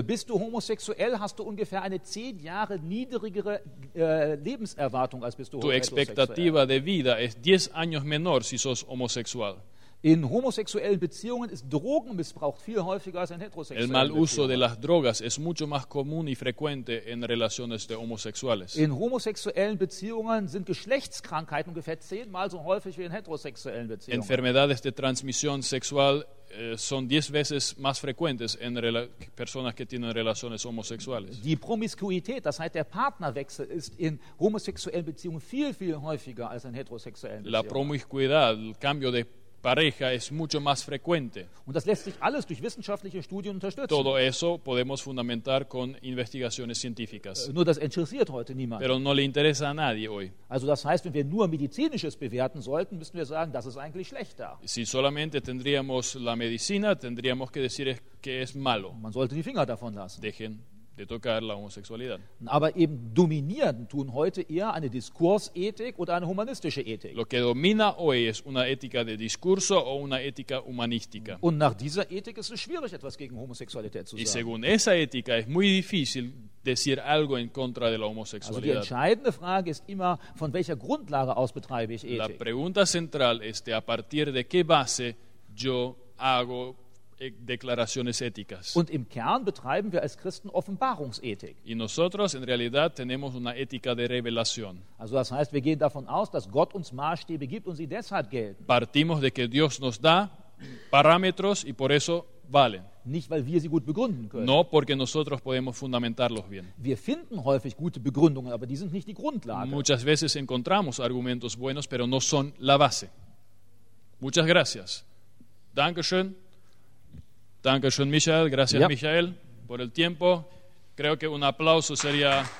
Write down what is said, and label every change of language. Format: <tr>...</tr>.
<de>Bist du homosexuell, hast du ungefähr eine 10 Jahre niedrigere Lebenserwartung, als bist du heterosexuell.</de> <es>Tu expectativa de vida es 10 años menor si sos homosexual.</es> <de>In homosexuellen Beziehungen ist Drogenmissbrauch viel häufiger als in heterosexuellen Beziehungen.</de> <es>El mal uso de las drogas es mucho más común y frecuente en relaciones de homosexuales.</es> <de>In homosexuellen Beziehungen sind Geschlechtskrankheiten ungefähr 10-mal so häufig wie in heterosexuellen Beziehungen.</de> <es>Enfermedades de transmisión sexual son 10 veces más frecuentes en personas que tienen relaciones homosexuales.</es> <de>Die Promiskuität, das heißt der Partnerwechsel, ist in homosexuellen Beziehungen viel, viel häufiger als in heterosexuellen Beziehungen.</de> <es>La promiscuidad, el cambio de pareja es mucho más frecuente.</es> <de>Und das lässt sich alles durch wissenschaftliche Studien unterstützen.</de> <es>Todo eso podemos fundamentar con investigaciones científicas.</es> <de>Nur das interessiert heute niemand.</de> <es>Pero no le interesa a nadie hoy.</es> <de>Also das heißt, wenn wir nur medizinisches bewerten sollten, müssten wir sagen, das ist eigentlich schlechter.</de> <es>Si solamente tendríamos la medicina, tendríamos que decir que es malo.</es> <de>Man sollte die Finger davon lassen.</de> <es>Dejen de tocar la homosexualidad.</es> <de>Aber eben dominieren tun heute eher eine Diskursethik oder eine humanistische Ethik.</de> <es>Lo que domina hoy es una ética de discurso o una ética humanística.</es> <de>Und nach dieser Ethik ist es schwierig, etwas gegen Homosexualität zu sagen.</de> <es>Y según esa ética es muy difícil decir algo en contra de la homosexualidad.</es> <de>Also die entscheidende Frage ist immer, von welcher Grundlage aus betreibe ich Ethik?</de> <es>La pregunta central es de a partir de qué base yo hago declaraciones éticas.</es> <de>Und im Kern betreiben wir als Christen Offenbarungsethik.</de> <es>Y nosotros en realidad tenemos una ética de revelación.</es> <de>Also das heißt, wir gehen davon aus, dass Gott uns Maßstäbe gibt und sie deshalb gelten.</de> <es>Partimos de que Dios nos da parámetros y por eso valen.</es> <de>Nicht, weil wir sie gut begründen können.</de> <es>No, porque nosotros podemos fundamentarlos bien.</es> <de>Wir finden häufig gute Begründungen, aber die sind nicht die Grundlage.</de> <es>Muchas veces encontramos argumentos buenos, pero no son la base. Muchas gracias.</es> <de>Dankeschön. Dankeschön, Michael.</de> <es>Gracias, yep. Michael, por el tiempo. Creo que un aplauso sería...</es>